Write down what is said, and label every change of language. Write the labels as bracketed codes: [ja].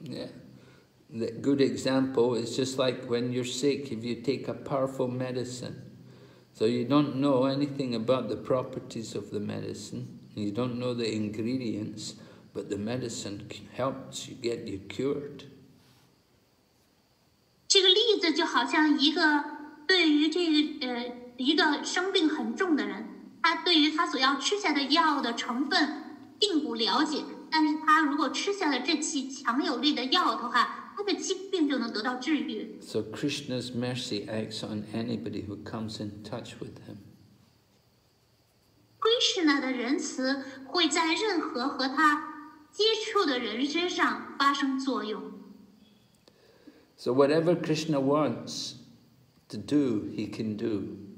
[en] Yeah, the good example is just like when you're sick, if you take a powerful medicine, so you don't know anything about the properties of the medicine. and you don't know the ingredients, but the medicine helps you get you cured. [zh] 这个例子就好像一个对于这个一个生病很重的人，他对于他所要吃下的药的成分并不了解，但是他如果吃下了这剂强有力的药的话，他的疾病就能得到治愈。 [en] So Krishna's mercy acts on anybody who comes in touch with him. [zh] Krishna 的仁慈会在任何和他接触的人身上发生作用。 [en] So whatever Krishna wants to do, he can do.